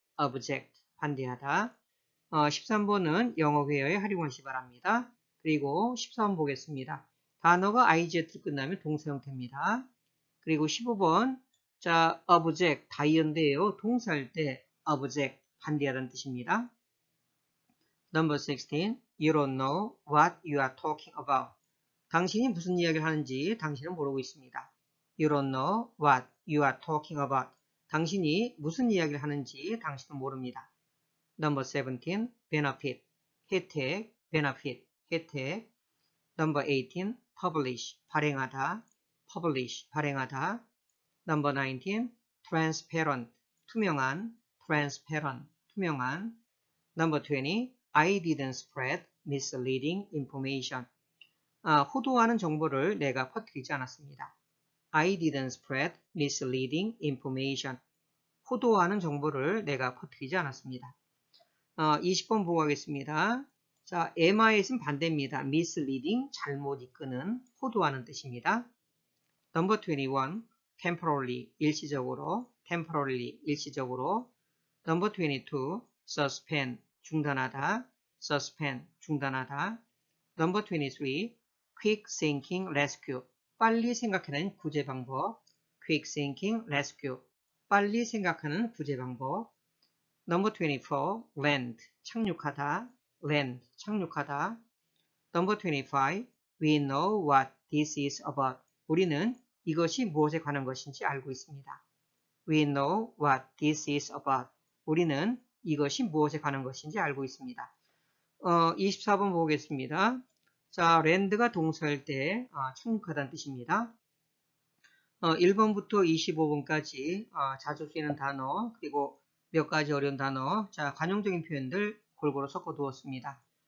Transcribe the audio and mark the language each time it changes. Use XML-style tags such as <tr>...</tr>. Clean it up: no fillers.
<ko>Object, 반대하다. 13번은 영어 회화에 활용하시기 바랍니다. 그리고 14번 보겠습니다. 단어가 IZ 끝나면 동사 형태입니다. 그리고 15번, 자, object, 다이언데요. 동사할 때 object, 반대하다는 뜻입니다.</ko> <en>Number 16, you don't know what you are talking about.</en> <ko>당신이 무슨 이야기를 하는지 당신은 모르고 있습니다.</ko> <en>You don't know what you are talking about.</en> <ko>당신이 무슨 이야기를 하는지 당신은 모릅니다.</ko> <en>Number 17, benefit, 혜택, benefit, 혜택. Number 18, publish, 발행하다, publish, 발행하다. Number 19, transparent, 투명한, transparent, 투명한. Number 20, I didn't spread misleading information.</en> <ko>호도하는 정보를 내가 퍼뜨리지 않았습니다.</ko> <en>I didn't spread misleading information.</en> <ko>호도하는 정보를 내가 퍼뜨리지 않았습니다. 20번 보고 가겠습니다. 자, MIS는 반대입니다. Misleading, 잘못 이끄는, 호도하는 뜻입니다.</ko> <en>Number 21, temporarily, 일시적으로, temporarily, 일시적으로. Number 22, suspend, 중단하다, suspend, 중단하다. Number 23, quick thinking rescue,</en> <ko>빨리 생각해낸 구제 방법,</ko> <en>quick thinking rescue.</en> <ko>빨리 생각하는 구제 방법.</ko> <en>Number 24, land, 착륙하다, land, 착륙하다. Number 25, we know what this is about.</en> <ko>우리는 이것이 무엇에 관한 것인지 알고 있습니다.</ko> <en>We know what this is about.</en> <ko>우리는 이것이 무엇에 관한 것인지 알고 있습니다. 24번 보겠습니다. 자, land가 동사일 때 착륙하다는 뜻입니다. 1번부터 25번까지 자주 쓰이는 단어, 그리고 몇 가지 어려운 단어, 자, 관용적인 표현들 골고루 섞어 두었습니다.</ko>